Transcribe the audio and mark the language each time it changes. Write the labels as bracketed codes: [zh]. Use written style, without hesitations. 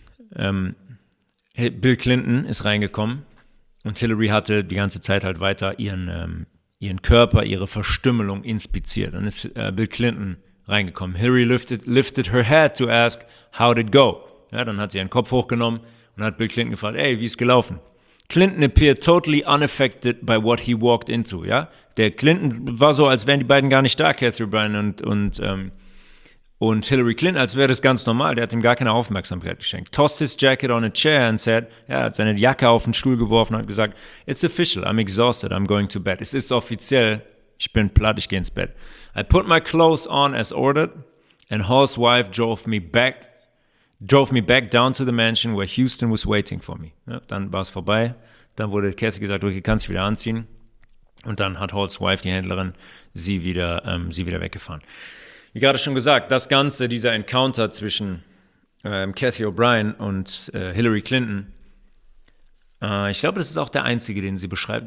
[de] Bill Clinton ist reingekommen und Hillary hatte die ganze Zeit halt weiter ihren Körper, ihre Verstümmelung inspiziert. Dann ist Bill Clinton reingekommen. [en] Hillary lifted her head to ask, how did it go? [de] Ja, dann hat sie ihren Kopf hochgenommen und hat Bill Clinton gefragt, ey, wie ist gelaufen? [en] Clinton appeared totally unaffected by what he walked into, ja? [de] Der Clinton war so, als wären die beiden gar nicht da, Catherine Bryan und Hillary Clinton, als wäre das ganz normal. Der hat ihm gar keine Aufmerksamkeit geschenkt. [en] Tossed his jacket on a chair and said, [de] ja, hat seine Jacke auf den Stuhl geworfen und hat gesagt, [en] it's official, I'm exhausted, I'm going to bed. [de] Es ist offiziell, ich bin platt, ich gehe ins Bett. [en] I put my clothes on as ordered and Hall's wife drove me back down to the mansion where Houston was waiting for me. [de] Ja, dann war es vorbei. Dann wurde Cassie gesagt, okay, kannst dich wieder anziehen. Und dann hat Hall's wife, die Händlerin, sie wieder weggefahren. Wie gerade schon gesagt, das Ganze, dieser Encounter zwischen Cathy O'Brien und Hillary Clinton, ich glaube, das ist auch der einzige, den sie beschreibt.